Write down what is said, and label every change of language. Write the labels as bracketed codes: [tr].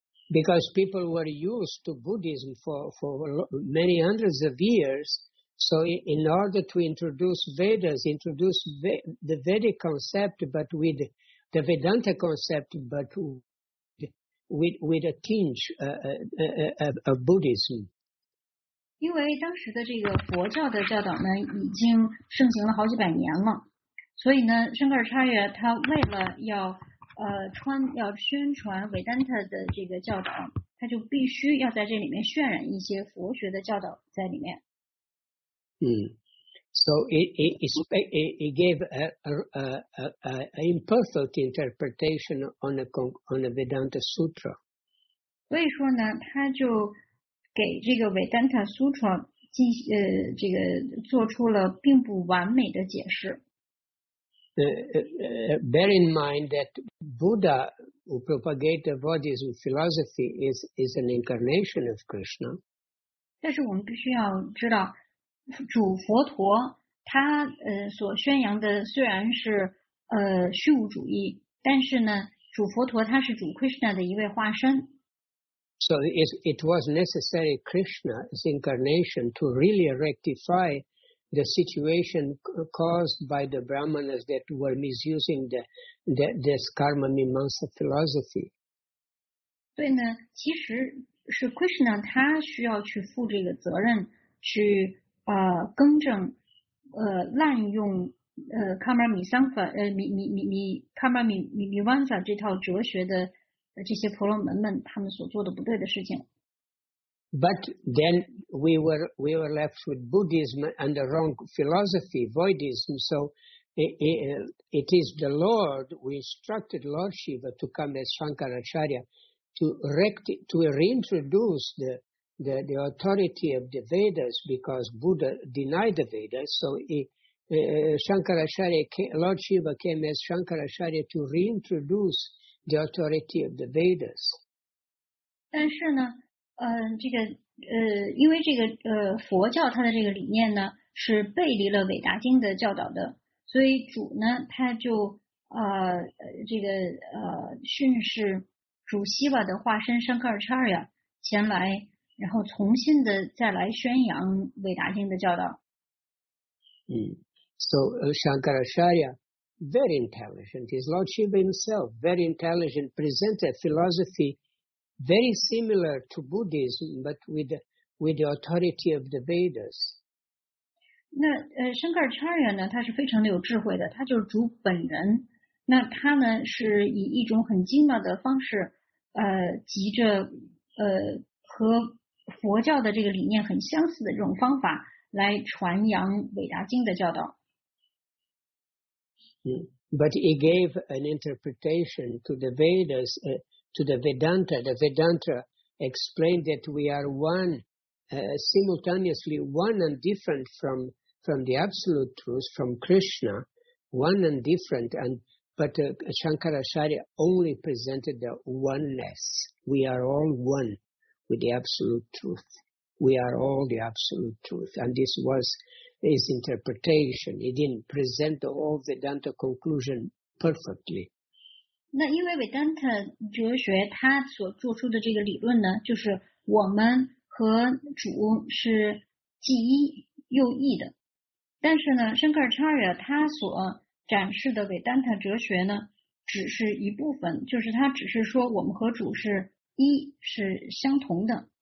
[en] Because people were used to Buddhism for many hundreds of years. So in order to introduce Vedas, introduce the Vedic concept, but with the Vedanta concept, but with a tinge of Buddhism. [zh] 因为当时的这个佛教的教导呢，已经盛行了好几百年了，所以呢，圣格尔查耶他为了要宣传维丹特的这个教导，他就必须要在这里面渲染一些佛学的教导在里面。 [en] So he gave a imperfect interpretation on a Vedanta sutra. [zh] 所以说呢，他就给这个维丹塔苏特进这个做出了并不完美的解释。 [en] Bear in mind that Buddha, who propagated Vedic philosophy, is an incarnation of Krishna. [zh] 但是我们必须要知道。主佛陀他所宣扬的虽然是虚无主义，但是呢，主佛陀他是主 Krishna 的一位化身。 [en] So it was necessary Krishna's incarnation to really rectify the situation caused by the Brahmanas that were misusing this karma mimamsa philosophy. [zh] 对呢，其实是 Krishna 他需要去负这个责任去。更正滥用Karma Mimamsa 这套哲学的这些婆罗门们他们所做的不对的事情。 [en] But then we were left with Buddhism and the wrong philosophy, voidism. So it is the Lord who instructed Lord Shiva to come as Shankaracharya to reintroduce the authority of the Vedas, because Buddha denied the Vedas, so he, Shankaracharya came, Lord Shiva came as Shankaracharya to reintroduce the authority of the Vedas. [zh] 但是呢，这个因为这个佛教它的这个理念呢是背离了伟大经的教导的，所以主呢他就这个训示主希瓦的化身圣卡尔查亚前来，然后重新的再来宣扬伟大经的教导。 [en] 嗯 ，So Shankaracharya very intelligent, is Lord Shiva himself very intelligent, presented philosophy. Very similar to Buddhism, but with the authority of the Vedas. [zh] 那Shankaracharya 呢，他是非常的有智慧的，他就是主本人。那他呢，是以一种很精妙的方式，急着和佛教的这个理念很相似的这种方法来传扬伟大经的教导。 [en] But he gave an interpretation to the Vedas. To the Vedanta explained that we are one, simultaneously one and different from the absolute truth, from Krishna, one and different. But Shankaracharya only presented the oneness. We are all one with the absolute truth. We are all the absolute truth. And this was his interpretation. He didn't present the whole Vedanta conclusion perfectly. [zh] 那因为维丹特哲学他所做出的这个理论呢，就是我们和主是既一又异的。但是呢，圣卡尔查亚他所展示的维丹特哲学呢，只是一部分，就是他只是说我们和主是一，是相同的。